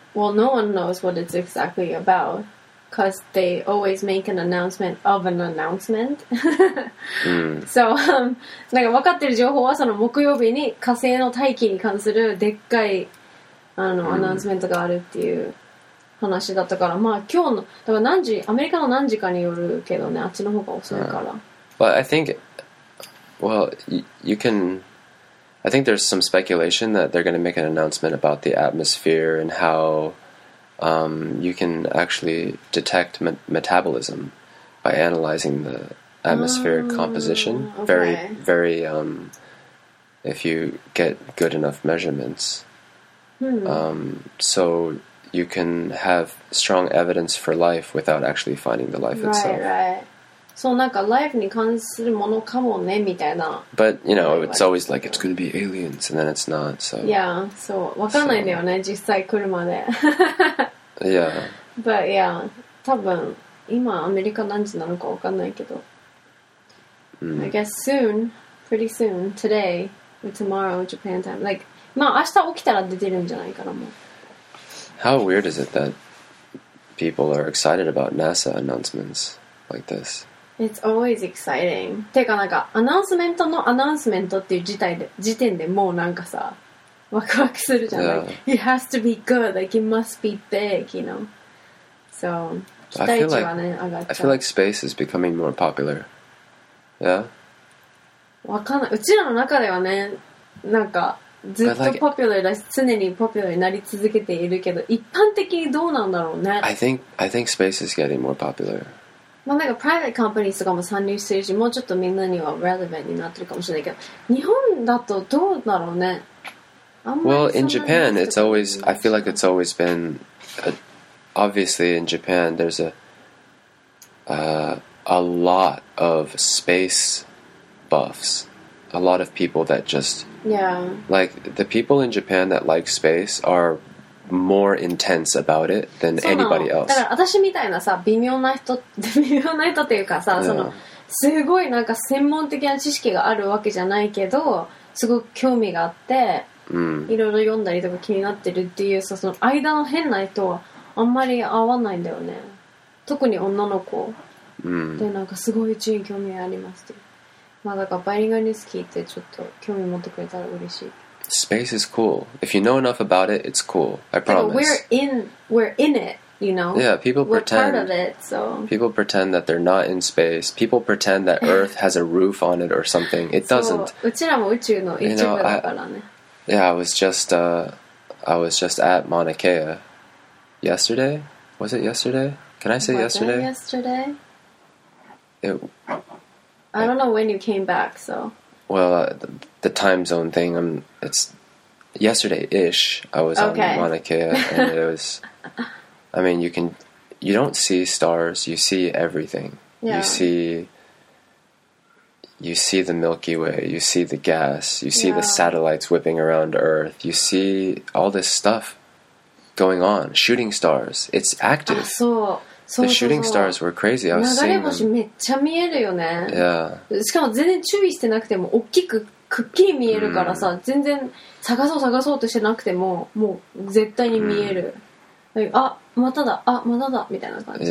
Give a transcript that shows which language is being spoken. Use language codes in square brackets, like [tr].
[en] Well, no one knows what it's exactly about because they always make an announcement of an announcement. [ja] So, なんか分かってる情報はその木曜日に火星の大気に関するでっかいアナウンスメントがあるっていう話だったから、まあ今日のだから何時、アメリカの何時かによるけどね、あっちの方が遅いから。 [en] Well, I think, I think there's some speculation that they're going to make an announcement about the atmosphere and how you can actually detect metabolism by analyzing the atmospheric composition. Okay. Very, very, if you get good enough measurements. So you can have strong evidence for life without actually finding the life itself. Right, right. [ja] そうなんかライフに関するものかもねみたいな。 [en] But you know, it's always like it's going to be aliens and then it's not. So [ja] yeah, そうわかんないんだよね実際来るまで。 [en] yeah. But yeah, [ja] 多分今アメリカ何時なのかわかんないけど。 [en] I guess soon, pretty soon, today or tomorrow, Japan time. [ja] Like, まあ明日起きたら出てるんじゃないかなもう。 [en] How weird is it that people are excited about NASA announcements like this? It's always exciting. [ja] てかなんかアナウンスメントのアナウンスメントっていう事態で時点でもうなんかさワクワクするじゃない、 [en] yeah. It has to be good. Like it must be big, you know. [ja] So 期待値はね上がっちゃう。 [en] I feel like space is becoming more popular. Yeah. [ja] わかんない。うちらの中ではねなんかずっとポピュラーだし常にポピュラーになり続けているけど一般的にどうなんだろうね。 [en] I think space is getting more popular. [ja] まあ、なんかプライベートカンパニーとかも参入してるしもうちょっとみんなにはレレベントになってるかもしれないけど日本だとどうだろうね [en] Well, in Japan, it's always I feel like it's always been obviously in Japan, there's a lot of space buffs a lot of people that just Yeah Like, the people in Japan that like space areMore intense about it than anybody else. [ja] だから私みたいなさ微妙な人微妙な人っていうかさ、 [en] yeah. [ja] そのすごいなんか専門的な知識があるわけじゃないけどすごく興味があって、いろいろ読んだりとか気になってるっていうさその間の変な人はあんまり合わないんだよね。特に女の子、でなんかすごい宇宙に興味ありますって。まあだからバイリンガルニュース聞いてちょっと興味持ってくれたら嬉しい。 [en] Space is cool. If you know enough about it, it's cool. I promise. Like, we're in it, you know? Yeah, people we're pretend. We're part of it, so. People pretend that they're not in space. People pretend that Earth has a roof on it or something. It doesn't. [ja] そう、うちらも宇宙の一部だからね。 [en] Yeah, I was just at Mauna Kea yesterday. Was it yesterday? Can I say was yesterday? Was it yesterday? I don't know when you came back, so. Well, the time zone thing, it's yesterday-ish, I was okay. on Mauna Kea, and it was, I mean, you don't see stars, you see everything. Yeah. You see the Milky Way, you see the gas, you see yeah. the satellites whipping around Earth, you see all this stuff going on, shooting stars, it's active. Ah, so... The shooting stars were crazy. I was seeing them. [ja] 流れ星めっちゃ見えるよね。 [en] Yeah. [ja] しかも全然注意してなくても大きくくっきり見えるからさ、全然探そう探そうとしてなくてももう絶対に見える。あ、まただ、あ、まただみたいな感じ。